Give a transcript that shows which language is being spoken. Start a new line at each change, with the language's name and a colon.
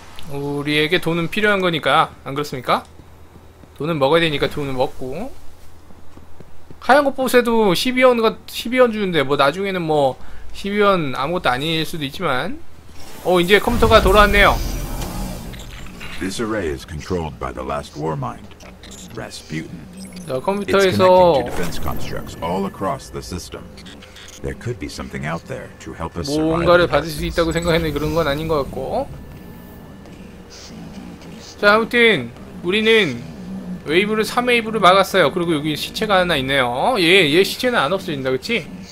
Korean: 우리에게 돈은 필요한 거니까, 안 그렇습니까? 돈은 먹어야 되니까 돈은 먹고. 하얀 거 뽑으세도 12원, 12원 주는데, 뭐 나중에는 뭐, 12원 아무것도 아닐 수도 있지만. 어, 이제 컴퓨터가 돌아왔네요.
English: This array is controlled by the last war mind. Rasputin.
Korean: 자, 컴퓨터에서
English: It's connecting to defense constructs all across the system. There could be something out there to help us survive.
Korean: 뭔가를 받을 수 있다고 생각했는데 그런 건 아닌 것 같고. 자, 아무튼 우리는 웨이브를 3웨이브를 막았어요. 그리고 여기 시체가 하나 있네요. 얘 시체는 안 없어진다, 그렇지?